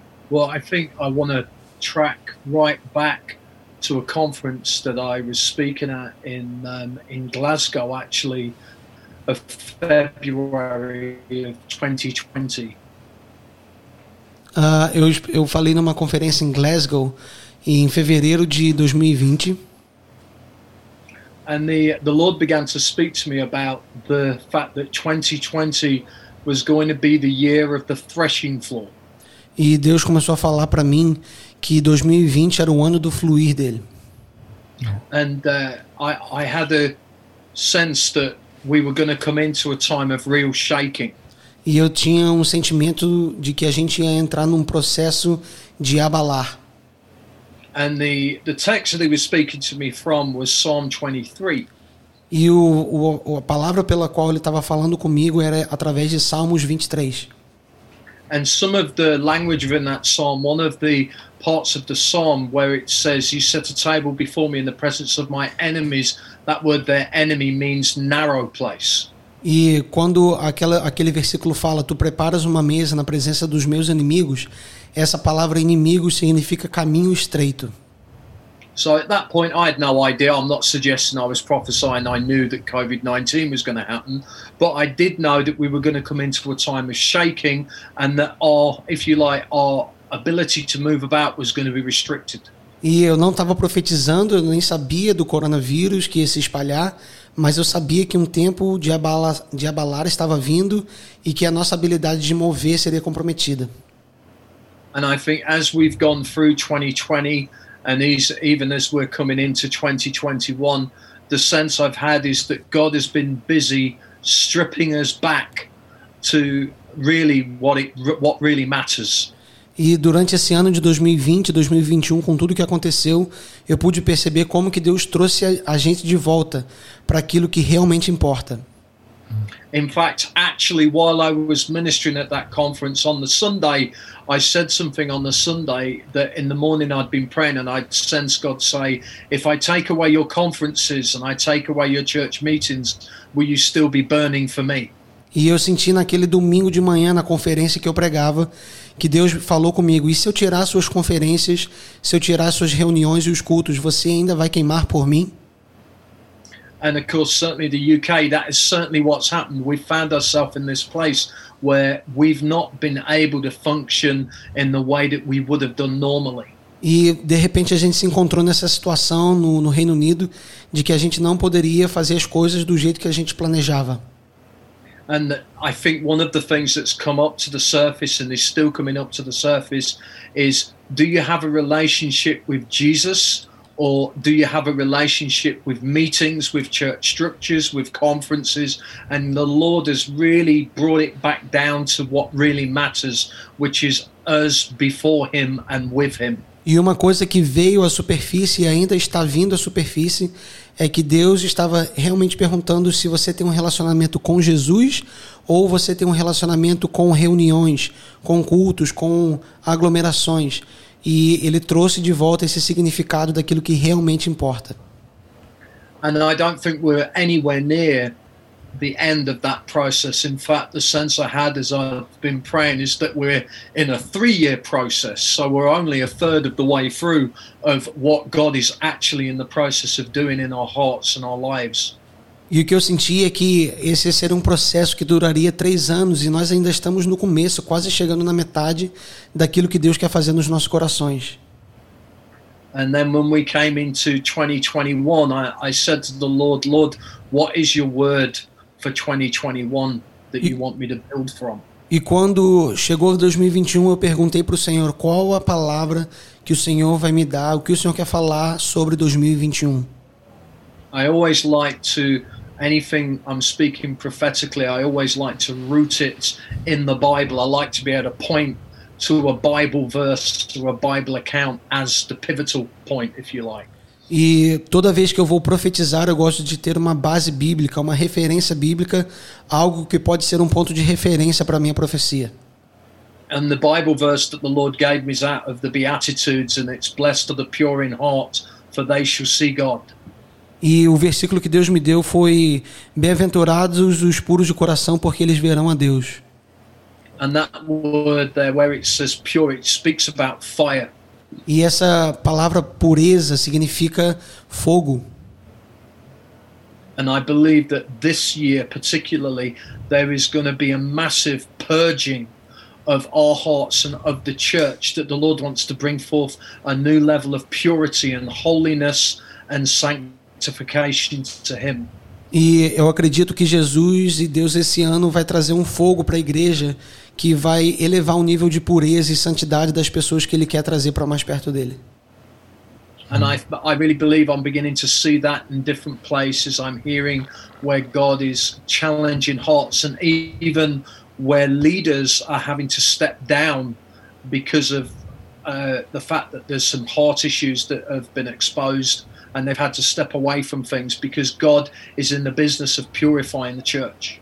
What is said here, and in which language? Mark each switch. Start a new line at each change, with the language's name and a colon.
English: Well, I think I want to track right back to a conference that I was speaking at in Glasgow, actually, of February of 2020.
Portuguese: Eu falei numa conferência em Glasgow em fevereiro de 2020.
English: And the Lord began to speak to me about the fact that 2020 was going to be the year of the threshing floor.
Portuguese: E Deus começou a falar para mim que 2020 era o ano do fluir dele.
English: And I had a sense that we were going to come into a time of real shaking.
Portuguese: E eu tinha um sentimento de que a gente ia entrar num processo de abalar.
English: And the text that he was speaking to me from was Psalm 23.
Portuguese: E a palavra pela qual ele estava falando comigo era através de Salmos 23.
English: And some of the language within that psalm, one of the parts of the psalm where it says, "You set a table before me in the presence of my enemies." That word, "their enemy," means narrow place.
Portuguese: E quando aquele versículo fala, "Tu preparas uma mesa na presença dos meus inimigos," essa palavra inimigo significa caminho estreito.
English: So at that point, I had no idea. I'm not suggesting I was prophesying. I knew that COVID-19 was going to happen, but I did know that we were going to come into a time of shaking, and that our, if you like, our ability to move about was going to be restricted.
Portuguese: E eu não estava profetizando, eu nem sabia do coronavírus que ia se espalhar, mas eu sabia que um tempo de abalar estava vindo e que a nossa habilidade de mover seria comprometida.
English: And I think as we've gone through 2020, and even as we're coming into 2021, the sense I've had is that God has been busy stripping us back to really what really matters.
Portuguese: E durante esse ano de 2020, 2021, com tudo que aconteceu, eu pude perceber como que Deus trouxe a gente de volta para aquilo que realmente importa.
English: In fact, actually, while I was ministering at that conference on the Sunday, I said something on the Sunday that in the morning I'd been praying and I'd sensed God say, "If I take away your conferences and I take away your church meetings, will you still be burning for me?"
Portuguese: E eu senti naquele domingo de manhã na conferência que eu pregava que Deus falou comigo, e se eu tirar suas conferências, se eu tirar suas reuniões e os cultos, você ainda vai queimar por mim?
English: And of course, certainly the UK, that is certainly what's happened. We found ourselves in this place where we've not been able to function in the way that we would have done normally.
Portuguese: E de repente a gente se encontrou nessa situação no Reino Unido de que a gente não poderia fazer as coisas do jeito que a gente planejava.
English: And I think one of the things that's come up to the surface and is still coming up to the surface is, do you have a relationship with Jesus, or do you have a relationship with meetings, with church structures, with conferences? And the Lord has really brought it back down to what really matters, which is us before Him and with Him.
Portuguese: E uma coisa que veio à superfície e ainda está vindo à superfície é que Deus estava realmente perguntando se você tem um relacionamento com Jesus ou você tem um relacionamento com reuniões, com cultos, com aglomerações. E Ele trouxe de volta esse significado daquilo que realmente importa.
English: And I don't think we're anywhere near the end of that process. In fact, the sense I had as I've been praying is that we're in a 3-year process, so we're only a third of the way through of what God is actually in the process of doing in our hearts and our lives.
Portuguese: E o que eu senti é que esse seria um processo que duraria 3 anos, e nós ainda estamos no começo, quase chegando na metade daquilo que Deus quer fazer nos nossos corações.
English: And then when we came into 2021, I said to the Lord, "Lord, what is your word for 2021 that you want me to build from?"
Portuguese: E quando chegou 2021, eu perguntei para o Senhor, qual a palavra que o Senhor vai me dar, o que o Senhor quer falar sobre 2021?
English: I always like to, anything I'm speaking prophetically, I always like to root it in the Bible. I like to be able to point to a Bible verse, to a Bible account as the pivotal point, if you like.
Portuguese: E toda vez que eu vou profetizar, eu gosto de ter uma base bíblica, uma referência bíblica, algo que pode ser um ponto de referência para a minha profecia.
English: And the Bible verse that the Lord gave me is out of the Beatitudes, and it's, "Blessed are the pure in heart, for they shall see God."
Portuguese: E o versículo que Deus me deu foi, "Bem-aventurados os puros de coração, porque eles verão a Deus."
English: And that word there, where it says pure, it speaks about fire.
Portuguese: E essa palavra pureza significa fogo.
English: And I believe that this year particularly there is going to be a massive purging of our hearts and of the church, that the Lord wants to bring forth a new level of purity and holiness and sanctification to Him.
Portuguese: E eu acredito que Jesus e Deus esse ano vai trazer um fogo para a igreja que vai elevar o nível de pureza e santidade das pessoas que Ele quer trazer para mais perto dEle.
English: And I really believe I'm beginning to see that in different places. I'm hearing where God is challenging hearts, and even where leaders are having to step down because of the fact that there's some heart issues that have been exposed, and they've had to step away from things because God is in the business of purifying the church.